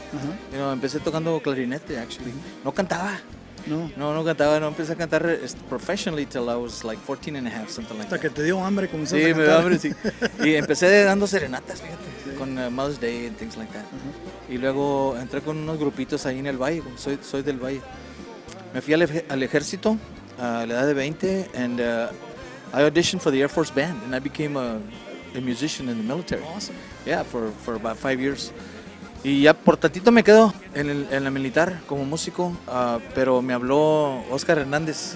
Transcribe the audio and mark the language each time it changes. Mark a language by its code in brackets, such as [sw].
[es] Uh-huh. [en] You know, [es] empecé tocando clarinete, [en] actually. [es] No cantaba. No cantaba. No empecé a cantar [en] professionally till I was like 14 and a half, something like [es] hasta [en] that. [es] Hasta que te dio hambre, comenzaste sí, a cantar. Sí, me dio hambre, sí. Y empecé dando serenatas, fíjate, sí. [en] Con Mother's Day and things like that. [es] Uh-huh. Y luego entré con unos grupitos ahí en el Valle, soy del Valle. Me fui al ejército a la edad de 20, [en] and I auditioned for the Air Force Band, and I became a musician in the military. Awesome. Yeah, for about 5 years. [es] Y ya por tantito me quedo en la militar como músico, pero me habló Oscar Hernández.